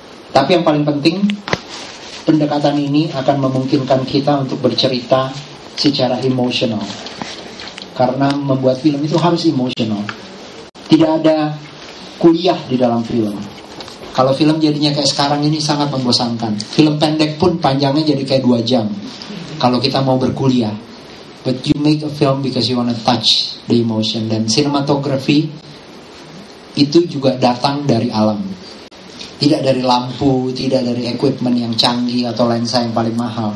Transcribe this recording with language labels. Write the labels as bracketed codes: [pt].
[id] Tapi yang paling penting, pendekatan ini akan memungkinkan kita untuk bercerita secara emosional. Karena membuat film itu harus emosional. Tidak ada kuliah di dalam film. Kalau film jadinya kayak sekarang ini sangat membosankan. Film pendek pun panjangnya jadi kayak 2 jam. Kalau kita mau berkuliah. [en] But you make a film because you wanna touch the emotion. [id] Dan cinematography itu juga datang dari alam. Tidak dari lampu, tidak dari equipment yang canggih atau lensa yang paling mahal.